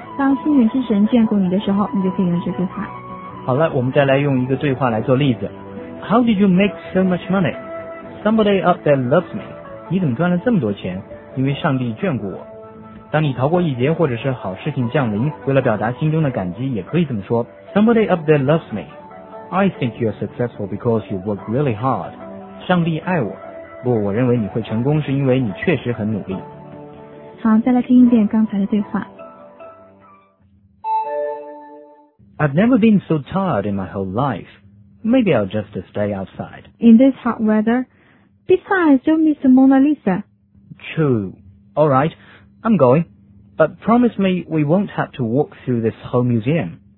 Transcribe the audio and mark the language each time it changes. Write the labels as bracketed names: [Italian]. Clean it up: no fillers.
[Chinese] 当幸运之神眷顾你的时候，你就可以用这句话。好了，我们再来用一个对话来做例子。 [English] How did you make so much money? Somebody up there loves me， [Chinese] 你怎么赚了这么多钱？因为上帝眷顾我。当你逃过一劫或者是好事情降临，为了表达心中的感激也可以这么说。 Somebody up there loves me， I think you're successful because you work really hard，上帝爱我。不，我认为你会成功是因为你确实很努力。好，再来听一遍刚才的对话。 [English] I've never been so tired in my whole life. Maybe I'll just stay outside. In this hot weather. Besides, you'll miss Mona Lisa. True. All right, I'm going. But promise me we won't have to walk through this whole museum.